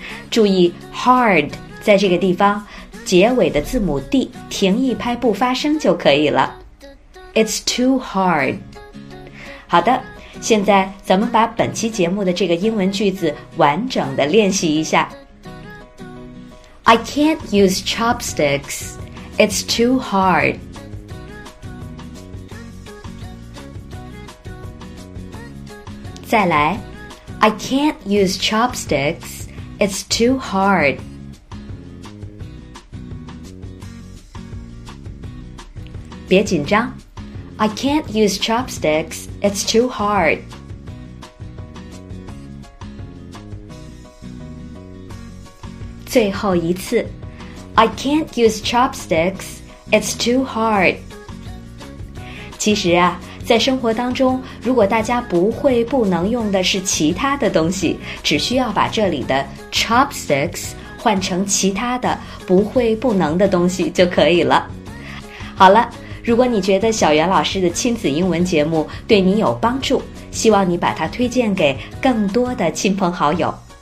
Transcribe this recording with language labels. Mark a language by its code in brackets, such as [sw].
[zh] 注意 hard 在这个地方结尾的字母 d 停一拍不发声就可以了， [en] it's too hard。 [zh] 好的，现在咱们把本期节目的这个英文句子完整的练习一下。 [en] I can't use chopsticks, it's too hard. [zh] 再来， [en] I can't use chopsticks, it's too hard. [zh] 别紧张。 [en] I can't use chopsticks, it's too hard. [zh] 最后一次， [en] I can't use chopsticks, it's too hard. [zh] 其实啊，在生活当中，如果大家不会、不能用的是其他的东西，只需要把这里的 chopsticks 换成其他的不会、不能的东西就可以了。好了，如果你觉得小袁老师的亲子英文节目对你有帮助，希望你把它推荐给更多的亲朋好友。